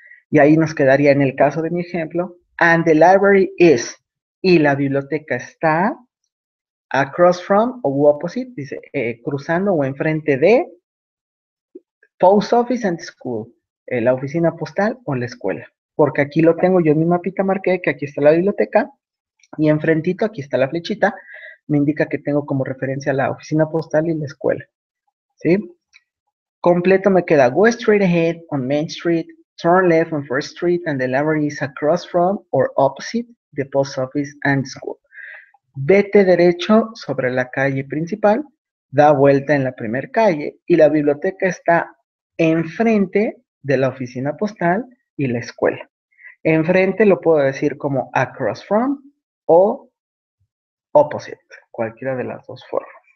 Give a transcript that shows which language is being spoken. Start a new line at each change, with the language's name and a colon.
Spanish: Y ahí nos quedaría en el caso de mi ejemplo, and the library is, y la biblioteca está across from o opposite, dice, cruzando o enfrente de post office and school, la oficina postal o la escuela. Porque aquí lo tengo, yo en mi mapita marqué que aquí está la biblioteca, y enfrentito aquí está la flechita, me indica que tengo como referencia la oficina postal y la escuela, ¿sí?
English: Completo me queda, go straight ahead on Main Street, turn left on First Street, and the library is across from or opposite the post office and school.
Spanish: Vete derecho sobre la calle principal, da vuelta en la primera calle, y la biblioteca está enfrente de la oficina postal y la escuela. Enfrente lo puedo decir como across from o opposite, cualquiera de las dos formas.